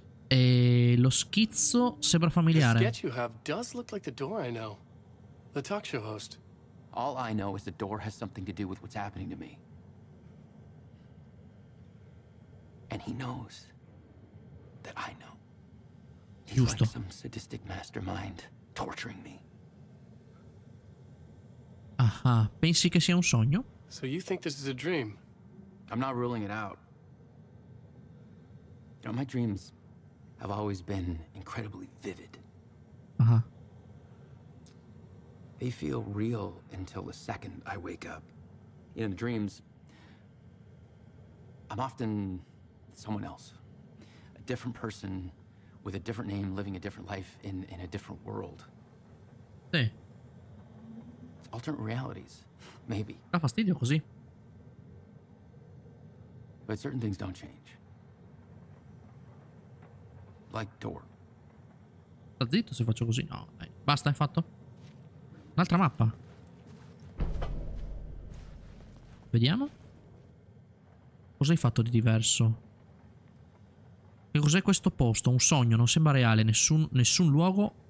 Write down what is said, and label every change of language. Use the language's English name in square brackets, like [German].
[Italian] E lo schizzo sembra familiare. [English] The sketch you have does look like the door I know. The talk show host. All I know is the door has something to do with what's happening to me. And he knows that I know. He's [Italian] giusto. [English] Like some sadistic mastermind torturing me. [Italian] Aha, pensi che sia un sogno? [English] So you think this is a dream? I'm not ruling it out. You know, my dreams have always been incredibly vivid. Uh-huh. They feel real until the second I wake up. In the dreams, I'm often someone else. A different person with a different name living a different life in a different world. [Italian] Sì. [English] It's alternate realities. Maybe. [Italian] Da fastidio così. [English] But certain things don't change. Like door. [Italian] Sta zitto se faccio così. No, dai. Basta, è fatto. Un'altra mappa. Vediamo. Cos'hai fatto di diverso? Che cos'è questo posto? Un sogno, non sembra reale. Nessun luogo.